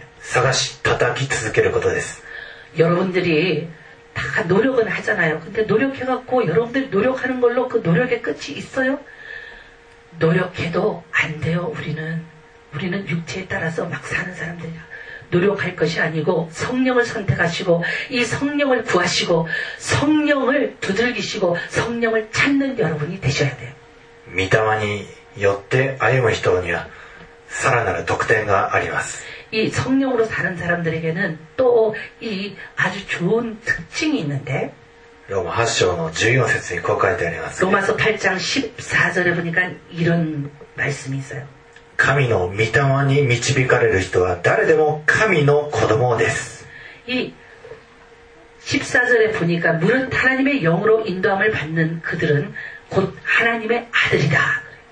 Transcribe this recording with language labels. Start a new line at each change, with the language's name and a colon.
Japanese: 良いことを求めるんじゃなく良いお方に求め探し叩き続けることです
Korean: 여러분들이 다 노력은 하잖아요. 근데 노력해갖고 여러분들 노력하는 걸로 그 노력의 끝이 있어요? 노력해도 안 돼요. 우리는 육체에 따라서 막 사는 사람들이야. 노력할 것이 아니고 성령을 선택하시고 이 성령을 구하시고 성령을 두들기시고 성령을 찾는 여러분이 되셔야 돼요.
Japanese: 御霊によって歩む人にはさらなる特典があります。
Korean: 이 성령으로 사는 사람들에게는 또 이 아주 좋은 특징이 있는데
Japanese: 로마8章の14節に書かれてあります。
Korean: 로마서 8장 14절에 보니까 이런 말씀이 있어요.
Japanese: 神の御霊に導かれる人は誰でも神の子供です。
Korean: 이 14절에 보니까 무릇 하나님의 영으로 인도함을 받는 그들은 곧 하나님의 아들이다.